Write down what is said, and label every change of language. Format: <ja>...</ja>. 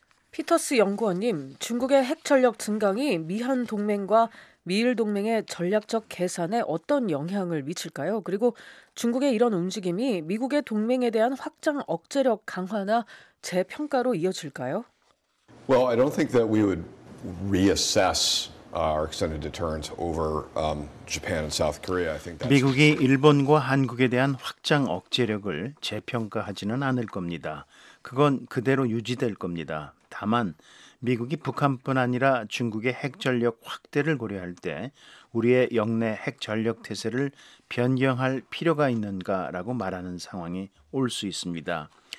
<ko>피터스 연구원님, 중국의 핵 전력 증강이 미한 동맹과 미일 동맹의 전략적 계산에 어떤 영향을 미칠까요? 그리고 중국의 이런 움직임이 미국의 동맹에 대한 확장 억제력 강화나 재평가로 이어질까요?</ko> <en>Well, I don't think that we would reassess our extended deterrence over Japan and South Korea. I think that's</en> <ko>미국이 일본과 한국에 대한 확장 억제력을 재평가하지는 않을 겁니다. 그건 그대로 유지될 겁니다. 다만 미국이 북한뿐 아니라 중국의 핵전력 확대를 고려할 때 우리의 영내 핵전력 태세를 변경할 필요가 있는가라고 말하는 상황이 올 수 있습니다.</ko>